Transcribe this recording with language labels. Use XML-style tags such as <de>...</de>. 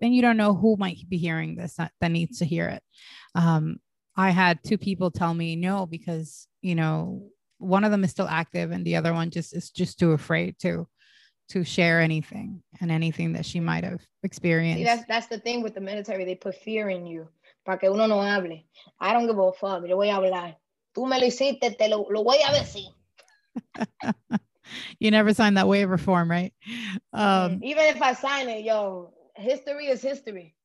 <en>And you don't know who might be hearing this that needs to hear it. I had two people tell me no, because, you know, one of them is still active and the other one is just too afraid to share anything and anything that she might have experienced. See, that's the thing with the military. They put fear in you.</en> <es>Para que uno no hable.</es> <en>I don't give a fuck.</en> <es>Yo voy a hablar. Tú me lo hiciste, te lo voy a decir.</es> <en>You never signed that waiver form, right? Even if I sign it, yo, history is history.</en>